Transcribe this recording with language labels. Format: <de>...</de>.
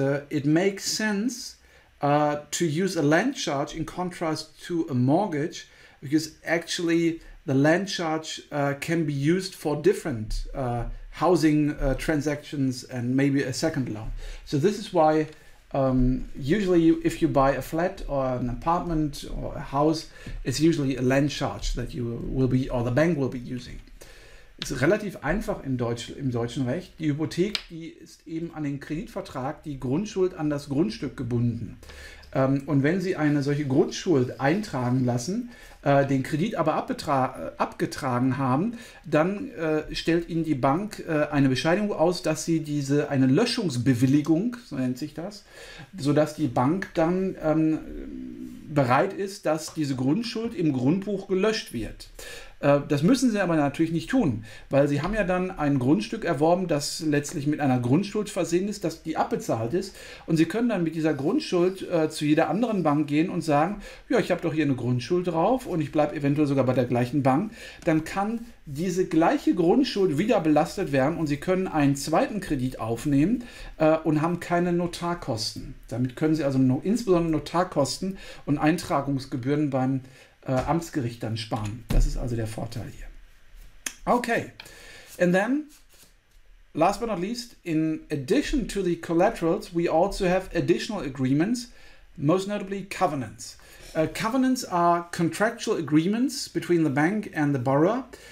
<en>It makes sense to use a land charge in contrast to a mortgage, because actually the land charge can be used for different housing transactions and maybe a second loan. So this is why usually if you buy a flat or an apartment or a house, it's usually a land charge that you will be, or the bank will be using. It's</en> <de>relativ einfach im deutschen Recht. Die Hypothek, die ist eben an den Kreditvertrag, die Grundschuld an das Grundstück gebunden. Und wenn Sie eine solche Grundschuld eintragen lassen, den Kredit aber abgetragen haben, dann stellt Ihnen die Bank eine Bescheinigung aus, dass Sie diese, eine Löschungsbewilligung, so nennt sich das, sodass die Bank dann bereit ist, dass diese Grundschuld im Grundbuch gelöscht wird. Das müssen Sie aber natürlich nicht tun, weil Sie haben ja dann ein Grundstück erworben, das letztlich mit einer Grundschuld versehen ist, dass die abbezahlt ist. Und Sie können dann mit dieser Grundschuld zu jeder anderen Bank gehen und sagen, ja, ich habe doch hier eine Grundschuld drauf und ich bleibe eventuell sogar bei der gleichen Bank. Dann kann diese gleiche Grundschuld wieder belastet werden und Sie können einen zweiten Kredit aufnehmen und haben keine Notarkosten. Damit können Sie also insbesondere Notarkosten und Eintragungsgebühren beim Amtsgericht dann sparen. Das ist also der Vorteil hier.</de> <en>Okay, and then, last but not least, in addition to the collaterals, we also have additional agreements, most notably covenants. Covenants are contractual agreements between the bank and the borrower.</en>